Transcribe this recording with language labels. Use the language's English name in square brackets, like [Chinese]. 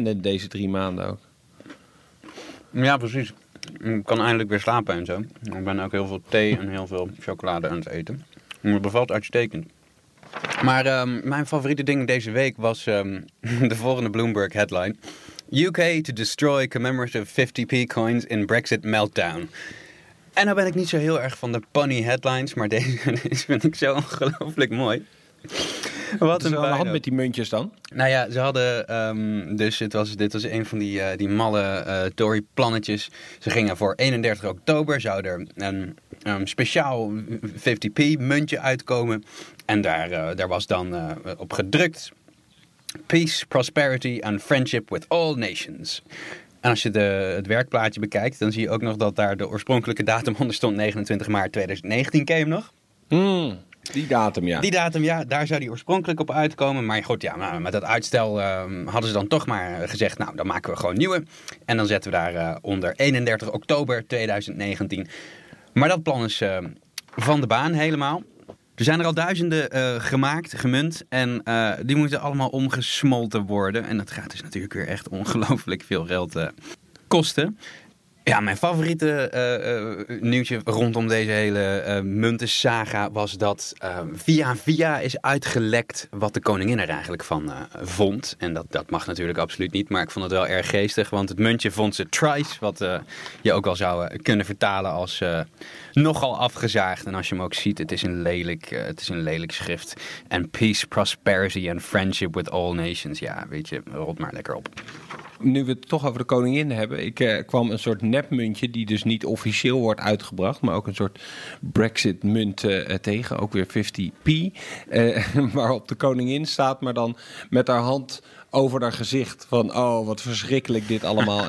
[Dutch] Net deze 3 maanden ook. Ja, precies. Ik kan eindelijk weer slapen en zo. Ik ben ook heel veel thee en heel veel chocolade aan het eten. Het bevalt uitstekend. Maar mijn favoriete ding deze week was de volgende Bloomberg headline. [English] UK to destroy commemorative 50p coins in Brexit meltdown. [Dutch] En nou ben ik niet zo heel erg van de punny headlines, maar deze vind ik zo ongelooflijk mooi. Wat een aan de hand met die muntjes dan? Nou ja, ze hadden dit was een van die malle Tory-plannetjes. Ze gingen voor 31 oktober, zou er een speciaal 50p-muntje uitkomen. En daar was dan op gedrukt. [English] Peace, prosperity and friendship with all nations. [Dutch] En als je het werkplaatje bekijkt, dan zie je ook nog dat daar de oorspronkelijke datum onder stond. 29 maart 2019 came nog. Die datum, daar zou die oorspronkelijk op uitkomen. Maar goed, ja, met dat uitstel hadden ze dan toch maar gezegd, nou, dan maken we gewoon nieuwe. En dan zetten we daar onder 31 oktober 2019. Maar dat plan is van de baan helemaal. Er zijn er al duizenden gemaakt, gemunt. En die moeten allemaal omgesmolten worden. En dat gaat dus natuurlijk weer echt ongelooflijk veel geld kosten. Ja, mijn favoriete nieuwtje rondom deze hele muntensaga was dat via is uitgelekt wat de koningin er eigenlijk van vond. En dat mag natuurlijk absoluut niet, maar ik vond het wel erg geestig, want het muntje vond ze trice, wat je ook wel zou kunnen vertalen als nogal afgezaagd. En als je hem ook ziet, het is een lelijk schrift. [English] And peace, prosperity and friendship with all nations. [Dutch] Ja, weet je, rot maar lekker op. Nu we het toch over de koningin hebben, ik kwam een soort nepmuntje die dus niet officieel wordt uitgebracht, maar ook een soort Brexit-munt tegen, ook weer 50p, waarop de koningin staat, maar dan met haar hand over haar gezicht van, oh, wat verschrikkelijk dit allemaal.